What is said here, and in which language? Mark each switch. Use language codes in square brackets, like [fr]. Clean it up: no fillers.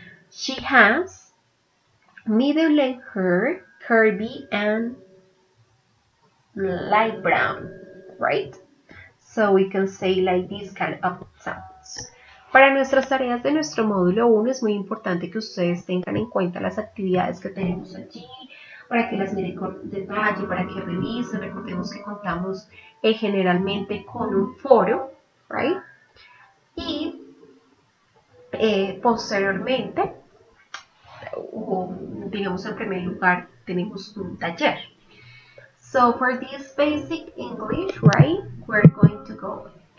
[en] She has medium-length hair, curvy, and light brown, right? So we can say like these kind of examples. [es] Para nuestras tareas de nuestro módulo 1, es muy importante que ustedes tengan en cuenta las actividades que tenemos allí, para que las miren con detalle, para que revisen. Recordemos que contamos generalmente con un foro, right? Y posteriormente, o digamos en primer lugar, tenemos un taller. [en] So for this basic English, right, we're going to go.